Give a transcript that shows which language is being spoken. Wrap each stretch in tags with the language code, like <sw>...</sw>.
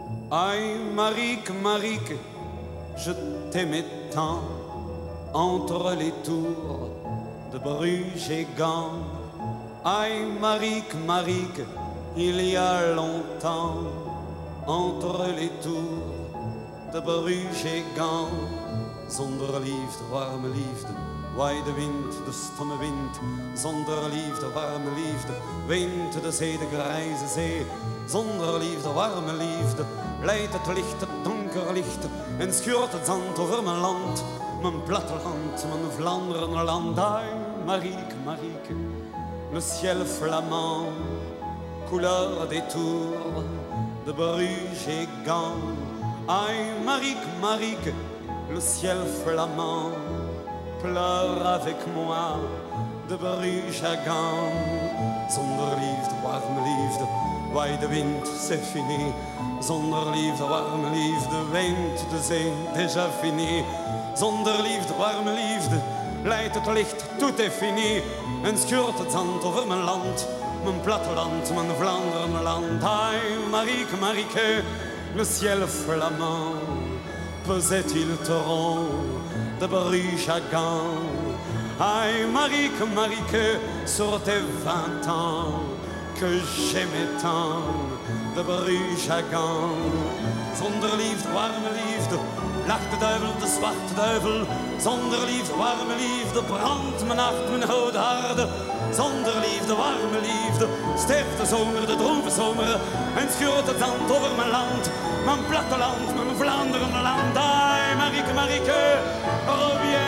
<fr>Aïe, Marique, Marique, je t'aimais tant entre les tours de Bruges et Gand. Aïe, Marique, Marique, il y a longtemps entre les tours de Bruges et Gand.</fr> <nl>Zonder liefde, warme liefde, waai de wind, de stomme wind. Zonder liefde, warme liefde, wind de zee, de grijze zee. Zonder liefde, warme liefde, leidt het licht, het donker licht. En schuurt het zand over mijn land, mijn platteland, mijn Vlaanderen land.</nl> <fr>Ai, Marieke, Marieke, le ciel flamand, couleur des tours de Bruges et Gand. Ai, Marieke, Marieke, le ciel flamand, pleure avec moi de Bruges à Gand.</fr> <nl>Zonder liefde, warme liefde, waai de wind,</nl> <fr>c'est fini.</fr> <nl>Zonder liefde, warme liefde, wind de zee,</nl> <fr>déjà fini.</fr> <nl>Zonder liefde, warme liefde, leidt het licht,</nl> <fr>tout est fini.</fr> <nl>En schuurt het zand over mijn land, mijn platteland, mijn Vlaanderen land.</nl> <fr>Ai, Marieke, Marieke, le ciel flamand, pesait-il torrent de Bruges à Gand. Aïe, Marieke, Marieke, sur tes 20 ans que j'aimais tant de Bruges à Gand.</fr> <nl>Zonder liefde, warme liefde, lacht de duivel, de zwarte duivel. Zonder liefde, warme liefde, brandt mijn hart, mijn oude harde. Zonder liefde, warme liefde, sterft de zomer, de droeve zomer. En schuurt het zand over mijn land, mijn platteland, mijn Vlaanderenland. Aïe, Marieke, Marieke, rood.</nl>